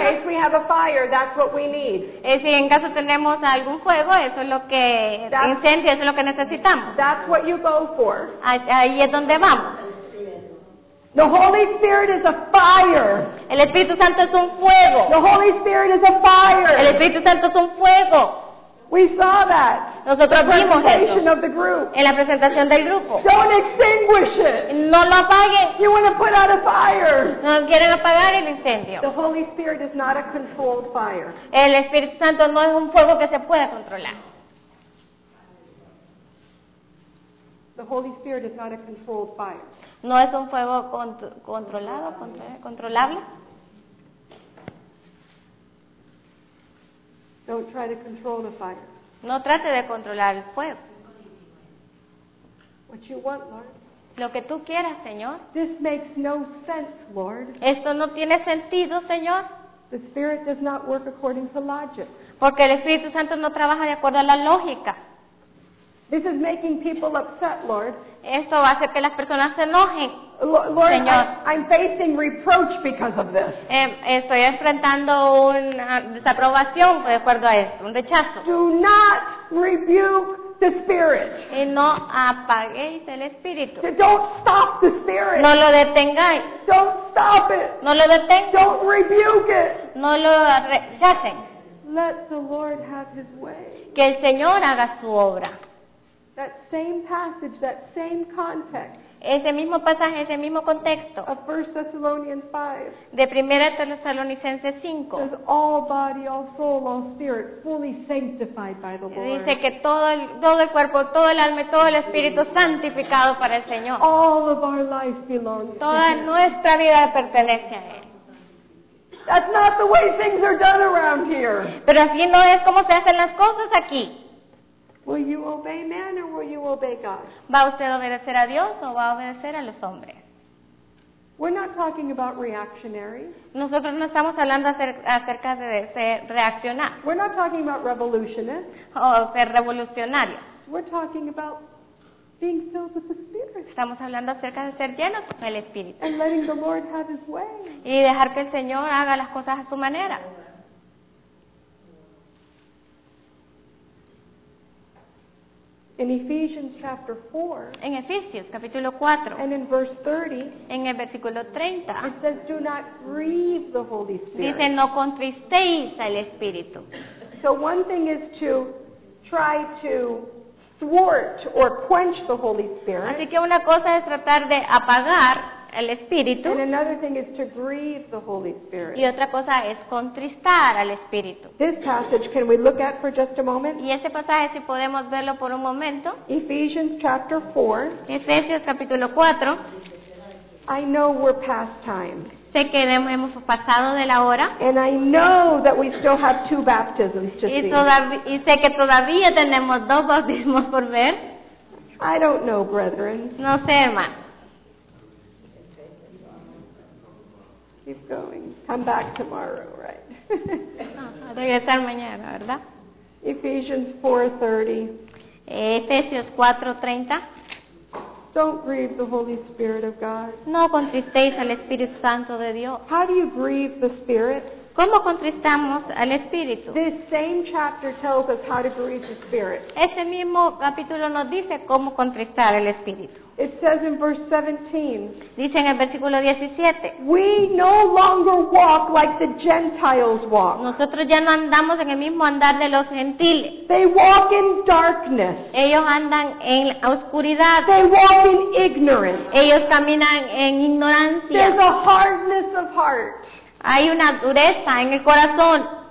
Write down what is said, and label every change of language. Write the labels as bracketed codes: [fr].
[en] In case we have a fire, that's what we need. [es] Si en caso tenemos algún fuego, eso es lo que incendio, eso es lo que necesitamos. [en] That's what you go for. [es] Ahí es donde vamos. [en] The Holy Spirit is a fire. [es] El Espíritu Santo es un fuego. [en] The Holy Spirit is a fire. [es] El Espíritu Santo es un fuego. [en] We saw that. [es] Nosotros [en] the [es] vimos [en] presentation [es] esto. [en] Of the group. [es] En la presentación del grupo. [en] Don't extinguish it. [es] No lo apague. [en] You want to put out a fire. [es] No quieren apagar el incendio. [en] The Holy Spirit is not a controlled fire. [es] El Espíritu Santo no es un fuego que se pueda controlar. [en] The Holy Spirit is not a controlled fire. [es] ¿No es un fuego controlado, controlable? [en] Don't try to control the fire. [es] No trate de controlar el fuego. [en] What you want, Lord. [es] Lo que tú quieras, Señor. [en] This makes no sense, Lord. [es] Esto no tiene sentido, Señor. [en] The Spirit does not work according to logic. [es] Porque el Espíritu Santo no trabaja de acuerdo a la lógica. [en] This is making people upset, Lord. [es] Esto va a hacer que las personas se enojen, [en] Lord, [es] Señor. [en] I'm facing reproach because of this. [es] Estoy enfrentando una desaprobación de acuerdo a esto, un rechazo. [en] Do not rebuke the Spirit. [es] Y no apaguéis el Espíritu. [en] So don't stop the Spirit. [es] No lo detengáis. [en] Don't stop it. [es] No lo detengáis. [en] Don't rebuke it. [es] No lo rechacen. [en] Let the Lord have His way. [es] Que el Señor haga su obra. [en] That same passage, that same context. [es] Ese mismo pasaje, ese mismo contexto. [en] Of 1 Thessalonians 5. [es] De 1 Tesalonicenses 5. [en] Says all body, all soul, all spirit, fully sanctified by the Lord. [es] Dice que todo el cuerpo, todo el alma, todo el espíritu santificado para el Señor. [en] All of our life belongs. [es] Toda nuestra vida pertenece a Él. [en] That's not the way things are done around here. [es] Pero así no es como se hacen las cosas aquí. [en] Will you obey man or will you obey God? [es] ¿Va usted a obedecer a Dios o va a obedecer a los hombres? [en] We're not talking about reactionary. [es] Nosotros no estamos hablando acerca de ser reaccionar. [en] We're not talking about revolutionists. [es] O ser revolucionario. [en] We're talking about being filled with the Spirit. [es] Estamos hablando acerca de ser llenos con el Espíritu. [en] And letting the Lord have His way. [es] Y dejar que el Señor haga las cosas a su manera. [en] In Ephesians chapter 4, [es] en Efesios capítulo 4, [en] and in verse 30, [es] en el versículo 30, [en] it says, "Do not grieve the Holy Spirit." [es] Dice, no contristéis al Espíritu. [en] So one thing is to try to thwart or quench the Holy Spirit. [es] Así que una cosa es tratar de apagar el Espíritu. [en] And another thing is to grieve the Holy Spirit. [es] Y otra cosa es contristar al Espíritu. [en] This passage, can we look at for just a moment? [es] Y ese pasaje, si podemos verlo por un momento. [en] Ephesians chapter 4. [es] Efesios capítulo 4. [en] I know we're past time. [es] Sé que hemos pasado de la hora. [en] And I know that we still have two baptisms to see. [es] Y sé que todavía tenemos dos bautismos por ver. [en] I don't know, brethren. [es] No sé, hermano. [en] Keep going. Come back tomorrow, right? [es] Regresar mañana, ¿verdad? [en] Ephesians 4:30. [es] Efesios 4:30. [en] Don't grieve the Holy Spirit of God. [es] No contristéis al Espíritu Santo de Dios. [en] How do you grieve the Spirit? [es] ¿Cómo contristamos al Espíritu? [en] This same chapter tells us how to grieve the Spirit. [es] Ese mismo capítulo nos dice cómo contristar al Espíritu. [en] It says in verse 17. [es] Dice en el versículo 17. [en] We no longer walk like the Gentiles walk. [es] Nosotros ya no andamos en el mismo andar de los gentiles. [en] They walk in darkness. [es] Ellos andan en oscuridad. [en] They walk in ignorance. [es] Ellos caminan en ignorancia. [en] There's a hardness of heart. [es] Hay una dureza en el corazón.